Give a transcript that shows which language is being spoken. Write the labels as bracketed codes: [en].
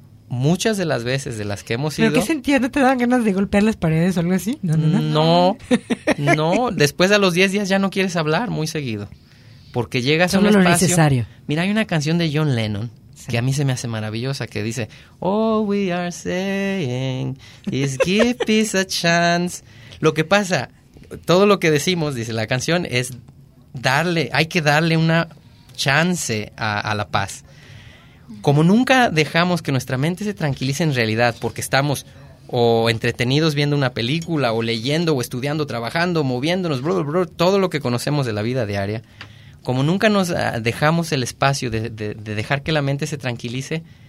[es] Muchas de las veces de las que hemos ido... ¿Pero qué sentías? ¿No te daban ganas de golpear las paredes o algo así? No. Después de los 10 días ya no quieres hablar muy seguido. Porque llegas solo a un espacio... Solo lo necesario. Mira, hay una canción de John Lennon, sí, que a mí se me hace maravillosa, que dice... [en] All we are saying is give peace a chance. [es] Lo que pasa, todo lo que decimos, dice la canción, es darle... Hay que darle una chance a la paz. Como nunca dejamos que nuestra mente se tranquilice en realidad porque estamos o entretenidos viendo una película o leyendo o estudiando, trabajando, moviéndonos, todo lo que conocemos de la vida diaria, como nunca nos dejamos el espacio de dejar que la mente se tranquilice,